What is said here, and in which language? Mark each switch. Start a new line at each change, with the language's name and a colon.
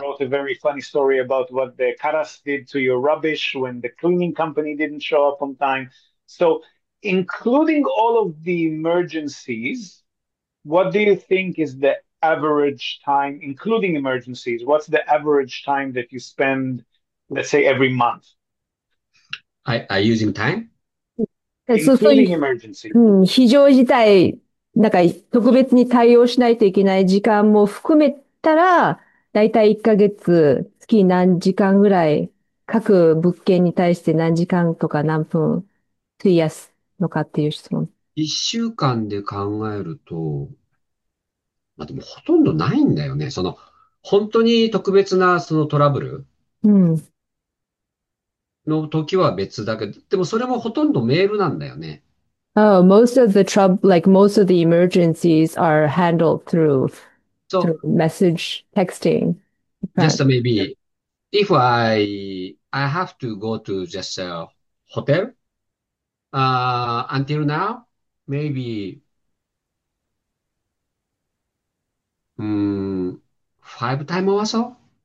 English: wrote a very funny story about what the Karas did to your rubbish when the cleaning company didn't show up on time. So, including all of the emergencies, what do you think is the average time, including emergencies, what's the average time that you spend, let's say, every month? I using time? Including emergency.
Japanese: 非常事態、なんか特別に対応しないといけない時間も含めたら、だいたい1ヶ月、月何時間ぐらい、各物件に対して何時間とか何分費やすのかっていう質問。一週間で考えると、まあでもほとんどないんだよね。本当に特別なそのトラブルの時は別だけど、でもそれもほとんどメールなんだよね。
English: Oh, most of the trouble, like most of the emergencies are handled through So, message texting. just maybe, if I have to go to just a hotel, until now, maybe 5 times or so.